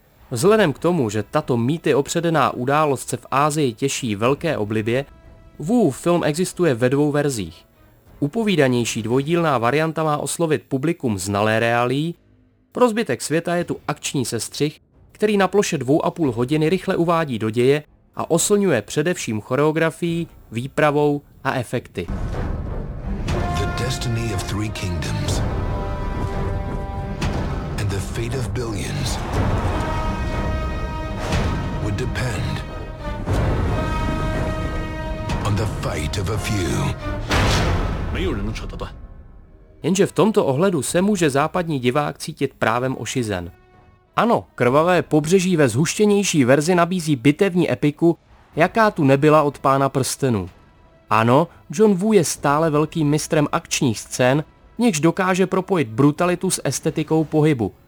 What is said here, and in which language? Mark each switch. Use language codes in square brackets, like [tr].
[cs] Vzhledem k tomu, že tato mýty opředená událost se v Ázii těší velké oblibě, Woo film existuje ve dvou verzích. Upovídanější dvojdílná varianta má oslovit publikum znalé reálií, pro zbytek světa je tu akční sestřih, který na ploše 2,5 hodiny rychle uvádí do děje a oslňuje především choreografií, výpravou a efekty. [en] The destiny of three kingdoms and the fate of billions would depend on the fight of a few. [cs] Jenže v tomto ohledu se může západní divák cítit právem ošizen. Ano, krvavé pobřeží ve zhuštěnější verzi nabízí bitevní epiku, jaká tu nebyla od Pána prstenů. Ano, John Woo je stále velkým mistrem akčních scén, něž dokáže propojit brutalitu s estetikou pohybu.